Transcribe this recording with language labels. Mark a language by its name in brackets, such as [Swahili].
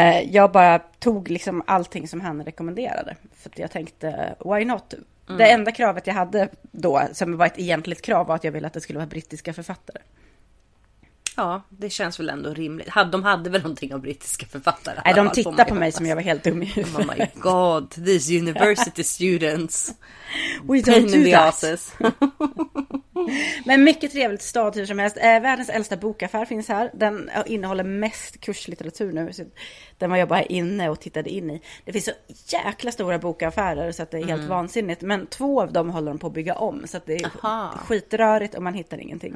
[Swedish] Jag bara tog liksom allting som han rekommenderade. För att jag tänkte, [English] why not? [Swedish] Mm. Det enda kravet jag hade då, som var ett egentligt krav, var att jag ville att det skulle vara brittiska författare. Ja, det känns väl ändå rimligt. De hade väl någonting av brittiska författare. Nej, de tittar på mig som jag var helt dum i huvudet. [English] Oh my god, these university students. We don't do that. [Swedish] Men mycket trevligt stad hur som helst. Världens äldsta bokaffär finns här. Den innehåller mest kurslitteratur nu. Så den var jag bara inne och tittade in i. Det finns så jäkla stora bokaffärer så att det är helt vansinnigt. Men två av dem håller de på att bygga om. Så att det är skitrörigt och man hittar ingenting.